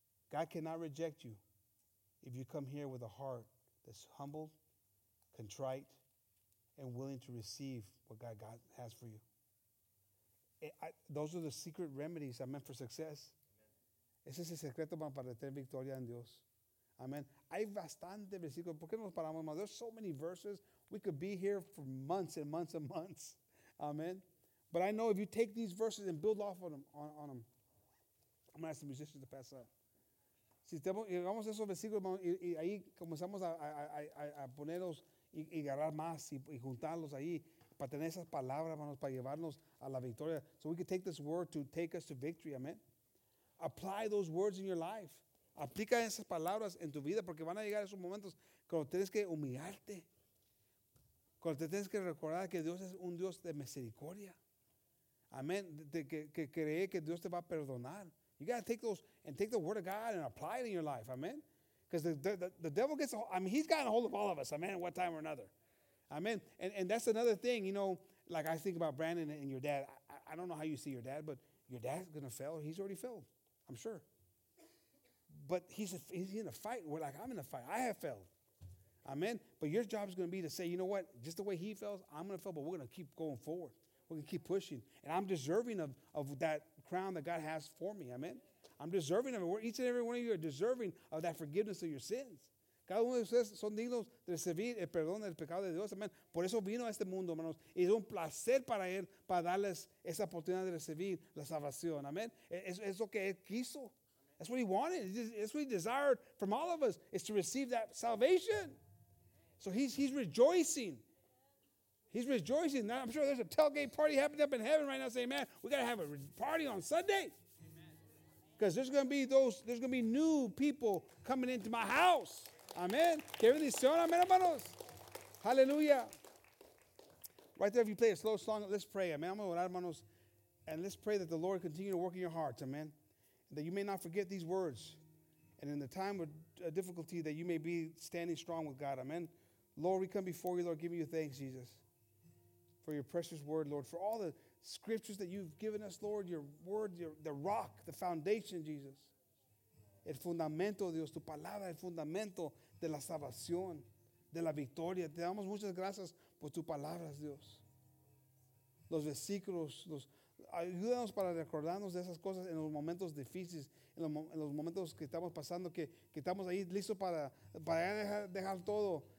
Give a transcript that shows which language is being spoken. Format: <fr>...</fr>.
<en>God cannot reject you if you come here with a heart that's humble, contrite, and willing to receive what God has for you. Those are the secret remedies, amen, for success. Amen.</en> <es>Ese es el secreto para tener victoria en Dios. Amen. Hay bastante versículo. ¿Por qué no nos paramos, hermano?</es> <en>There's so many verses. We could be here for months and months and months. Amen. But I know if you take these verses and build off on them, I'm going to ask the musicians to pass up.</en> <es>Si llegamos a esos versículos, hermano, y ahí comenzamos a ponerlos y agarrar más y juntarlos ahí para tener esas palabras, hermanos, para llevarnos a la victoria.</es> <en>So we can take this word to take us to victory, amen. Apply those words in your life.</en> <es>Aplica esas palabras en tu vida porque van a llegar esos momentos cuando tienes que humillarte. Cuando te tienes que recordar que Dios es un Dios de misericordia. Amen. Que cree que Dios te va a perdonar.</es> <en>You got to take those and take the word of God and apply it in your life. Amen. Because the devil gets a hold. I mean, he's gotten a hold of all of us. Amen. At one time or another. Amen. And that's another thing. You know, like I think about Brandon and your dad. I don't know how you see your dad, but your dad's going to fail. He's already failed. I'm sure. But he's in a fight. We're like, I'm in a fight. I have failed. Amen. But your job is going to be to say, you know what? Just the way he fails, I'm going to fail, but we're going to keep going forward. We're going to keep pushing. And I'm deserving of that crown that God has for me. Amen. I'm deserving of it. Each and every one of you are deserving of that forgiveness of your sins.</en> <es>Cada uno de ustedes son dignos de recibir el perdón del pecado de Dios. Amen. Por eso vino a este mundo, hermanos. Y es un placer para él para darles esa oportunidad de recibir la salvación. Amen. Es lo que él quiso.</es> <en>That's what he wanted. That's what he desired from all of us is to receive that salvation. So he's rejoicing. He's rejoicing. Now, I'm sure there's a tailgate party happening up in heaven right now. Say, man, we got to have a party on Sunday. Because there's going to be new people coming into my house. Amen.</en> <es>Que bendición, amen, hermanos.</es> <en>Hallelujah. Right there, if you play a slow song, let's pray. Amen.</en> <es>Vamos a orar, hermanos.</es> <en>And let's pray that the Lord continue to work in your hearts. Amen. And that you may not forget these words. And in the time of difficulty, that you may be standing strong with God. Amen. Lord, we come before you, Lord, giving you thanks, Jesus, for your precious word, Lord, for all the scriptures that you've given us, Lord, your word, the rock, the foundation, Jesus.</en> <es>El fundamento, Dios, tu palabra, el fundamento de la salvación, de la victoria. Te damos muchas gracias por tus palabras, Dios. Los versículos, ayúdanos para recordarnos de esas cosas en los momentos difíciles, en los momentos que estamos pasando, que estamos ahí listos para dejar todo.</es>